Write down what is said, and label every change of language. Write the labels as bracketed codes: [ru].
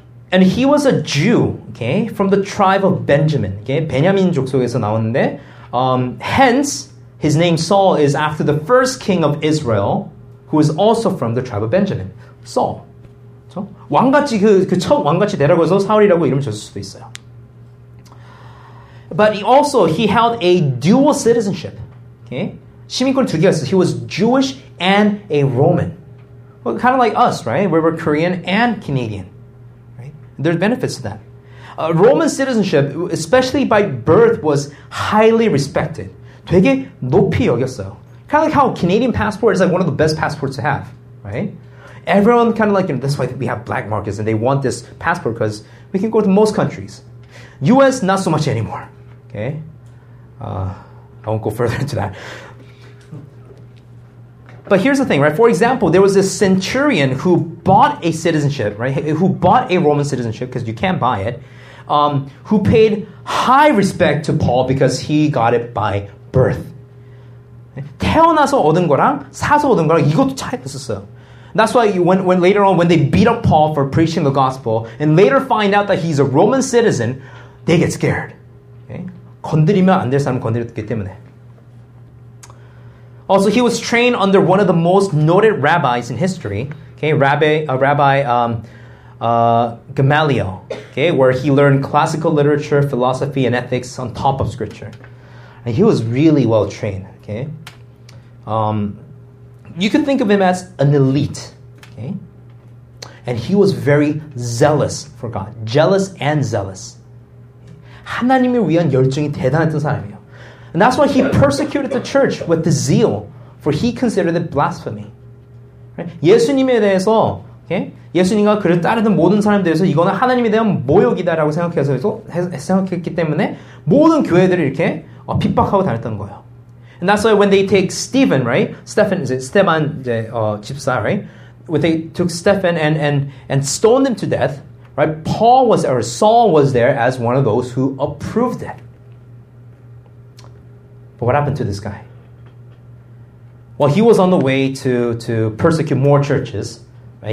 [en] And he was a Jew, okay, from the tribe of Benjamin, okay, [ko] 베냐민 족속에서 나왔는데, [en] hence his name Saul is after the first king of Israel, who is also from the tribe of Benjamin, Saul. [ko] 그렇죠? 왕같이 그 첫 왕같이 되라고 해서 사울이라고 이름을 지었을 수도 있어요. [en] But he also he held a dual citizenship, okay, [ko] 시민권 두 개가 있어요. [en] He was Jewish and a Roman. Well, kind of like us, right? We were Korean and Canadian. There's benefits to that. Roman citizenship, especially by birth, was highly respected. [ko] 되게 높이 여겼어요. [en] Kind of like how Canadian passport is like one of the best passports to have, right? Everyone kind of like, you know, that's why we have black markets and they want this passport because we can go to most countries. US, not so much anymore, okay? I won't go further into that. But here's the thing, right? For example, there was this centurion who bought a citizenship, right? Who bought a Roman citizenship, because you can't buy it, who paid high respect to Paul because he got it by birth. [ko] 태어나서 얻은 거랑 사서 얻은 거랑 이것도 차이가 있었어요. [en] That's why when later on, when they beat up Paul for preaching the gospel, and later find out that he's a Roman citizen, they get scared. Okay? [ko] 건드리면 안 될 사람은 건드렸기 때문에. [en] Also, he was trained under one of the most noted rabbis in history, okay, Rabbi Gamaliel, okay, where he learned classical literature, philosophy, and ethics on top of scripture. And he was really well trained, okay? You could think of him as an elite, okay? And he was very zealous for God, jealous and zealous. [ko] 하나님을 위한 열정이 대단했던 사람이에요. [en] And that's why he persecuted the church with the zeal, for he considered it blasphemy. Right? [ko] 예수님에 대해서, [en] okay? [ko] 예수님과 그를 따르던 모든 사람에 대해서 이거는 하나님에 대한 모욕이다라고 생각했기 때문에 모든 교회들을 이렇게 핍박하고 다녔던 거예요. [en] And that's why when they take Stephen, right? Stephen, when they took Stephen and stoned him to death, right? Saul was there as one of those who approved it. But what happened to this guy? Well, he was on the way to persecute more churches. Right?